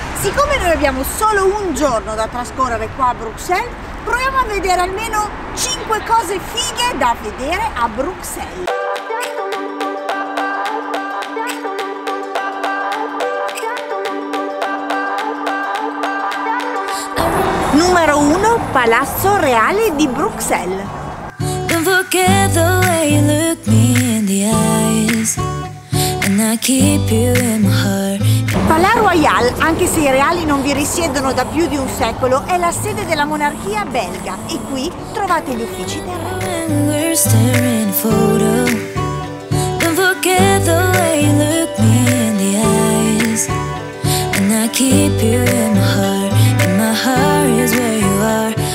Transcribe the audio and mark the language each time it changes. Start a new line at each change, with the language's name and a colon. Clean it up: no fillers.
Italian: Siccome noi abbiamo solo un giorno da trascorrere qua a Bruxelles, proviamo a vedere almeno 5 cose fighe da vedere a Bruxelles. Numero 1, Palazzo Reale di Bruxelles.
English: Don't forget the way you look me in the eyes and I keep you in my heart.
Italian: Palais Royal, anche se i reali non vi risiedono da più di un secolo, è la sede della monarchia belga e qui trovate gli uffici del re. We're staring photo.
English: Don't forget the way you look me in the eyes and I keep you in my heart and my heart is where you are.